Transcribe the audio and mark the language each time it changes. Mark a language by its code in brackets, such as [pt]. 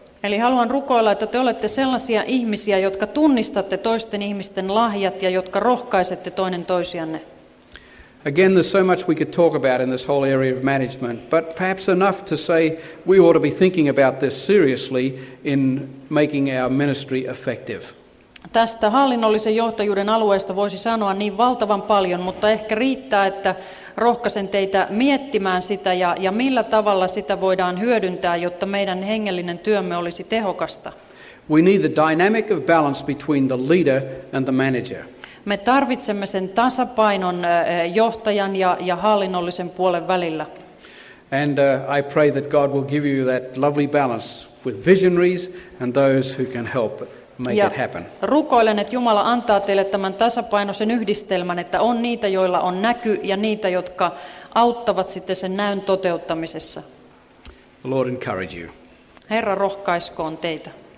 [fi] Eli haluan rukoilla, että te olette sellaisia ihmisiä, jotka tunnistatte toisten ihmisten lahjat ja jotka rohkaisette toinen toisianne. [en] Again, there's so much we could talk about in this whole area of management, but perhaps enough to say we ought to be thinking about this seriously in making our ministry effective. [fi] Tästä hallinnollisen johtajuuden alueesta voisi sanoa niin valtavan paljon, mutta ehkä riittää, että rohkaisen teitä miettimään sitä ja millä tavalla sitä voidaan hyödyntää, jotta meidän hengellinen työmme olisi tehokasta. [en] We need the dynamic of balance between the leader and the manager. [fi] Me tarvitsemme sen tasapainon johtajan ja hallinnollisen puolen välillä. [en] And I pray that God will give you that lovely balance with visionaries and those who can help make [fi] ja [en] it happen. [fi] Rukoilen, että Jumala antaa teille tämän tasapainoisen yhdistelmän, että on niitä, joilla on näky, ja niitä, jotka auttavat sitten sen näyn toteuttamisessa. [en] The Lord encourage you. [fi] Herra rohkaiskoon teitä.